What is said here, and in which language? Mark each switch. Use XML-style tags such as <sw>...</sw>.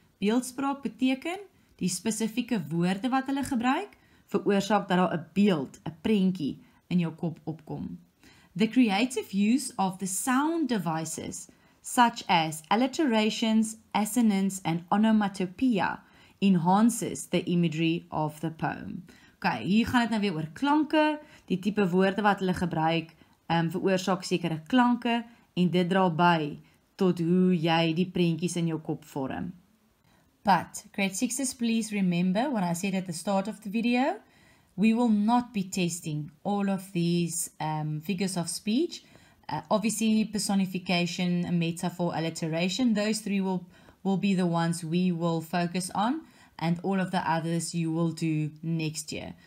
<af>Beeldspraak beteken die spesifieke woorde wat hulle gebruik, veroorsaak dat daar 'n beeld, 'n prentjie in jou kop opkom.</af> <en>The creative use of the sound devices, such as alliterations, assonance and onomatopoeia, enhances the imagery of the poem.</en> <af>Okay, hier gaan het nou weer oor klanke, die type woorde wat hulle gebruik, veroorsaak sekere klanke, en dit dra by tot hoe jy die prentjies in jou kop vorm.</af> <en>But, grade 6's, please remember what I said at the start of the video, we will not be testing all of these figures of speech. Obviously, personification, metaphor, alliteration, those three will be the ones we will focus on, and all of the others you will do next year.</en>